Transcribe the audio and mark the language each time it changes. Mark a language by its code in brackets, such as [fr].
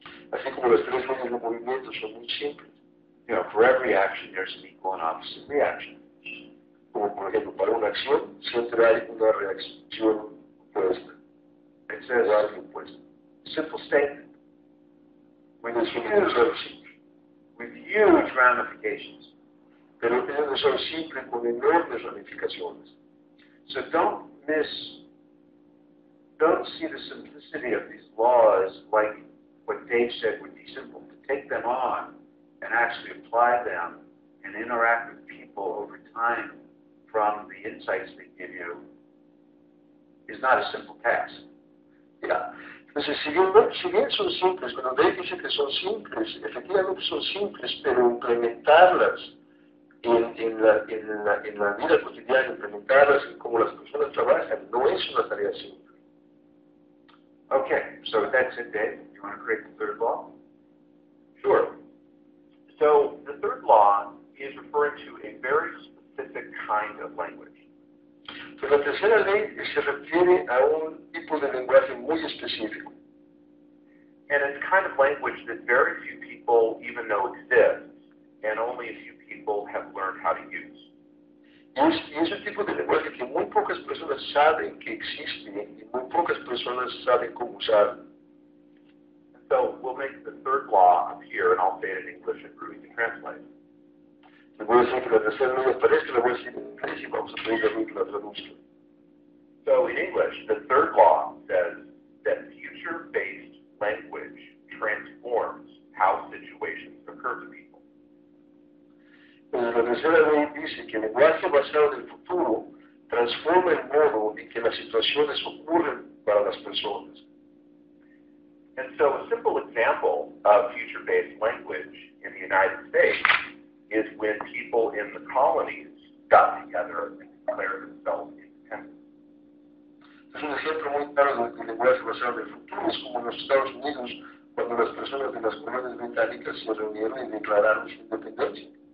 [es] Así como las tres leyes de movimiento son muy simples. [en] You know, for every action, there's an equal and opposite reaction. [es] Como por ejemplo, para una acción, siempre hay una reacción opuesta. [en] It says, simple statement. When it's simple. With huge ramifications. [es] Pero tiene que ser simple con enormes ramificaciones. [en] So don't see the simplicity of these laws like what Dave said would be simple. To take them on and actually apply them and interact with people over time from the insights they give you is not a simple task. Yeah. [es] Entonces, si bien son simples, cuando Dave dice que son simples, efectivamente son simples, pero implementarlas en la vida cotidiana, implementarlas en cómo las personas trabajan, no es una tarea simple. [en] Okay, so that's it, Dave. You want to create the third law? Sure. So the third law is referring to a very specific kind of language. [es] Pero la tercera ley se refiere a un tipo de lenguaje muy específico. [en] And it's kind of language that very few people even know exists, and only a few people have learned how to use. [es] Es un tipo de lenguaje que muy pocas personas saben que existe, y muy pocas personas saben cómo usarlo. [en] So we'll make the third law appear, and I'll say it in English and Ruby. translate. [es] Le voy a decir que la tercera no me parece, le voy a decir en inglés y vamos a pedir a mí que la traduzca. [en] So in English, the third law says that future-based language transforms how situations occur to people. [es] La tercera ley dice que el lenguaje basado en el futuro transforma el modo en que las situaciones ocurren para las personas. [en] And so a simple example of future-based language in the United States is when people in the colonies got together and declared themselves independent. [es] Es un ejemplo muy claro de que el lenguaje basado en el futuro es como en los Estados Unidos cuando las personas de las colonias británicas se reunieron y declararon su independencia.